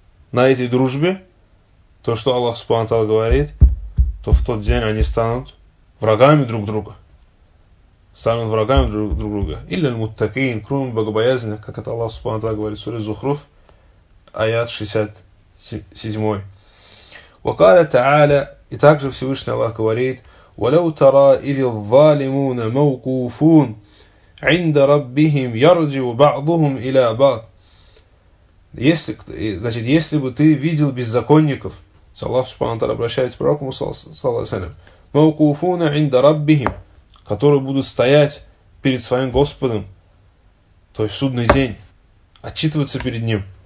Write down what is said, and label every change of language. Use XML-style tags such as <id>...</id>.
<ru>на этой дружбе, то, что Аллах Субхану Тааля говорит, то в тот день они станут врагами друг друга. Станут врагами друг друга. Или муттакин, кроме богобоязненных, как это Аллах Субхану Тааля говорит, сура Зухруф, аят 67. Вакаля Тааля, и также Всевышний Аллах говорит,</ru> <ar>وَلَوْ تَرَى إِذِ الظَّالِمُونَ مَوْقُوفُونَ عِنْدَ رَبِّهِمْ يَرْجِعُ بَعْضُهُمْ إِلَى بَعْضٍ.</ar> <ru>Если, значит, если бы ты видел беззаконников, Аллах Субхану Тааля обращается к пророку,</ru> <ar>مَوْقُوفُونَ عِنْدَ رَبِّهِمْ,</ar> <ru>которые будут стоять перед своим Господом, то есть в судный день, отчитываться перед Ним.</ru>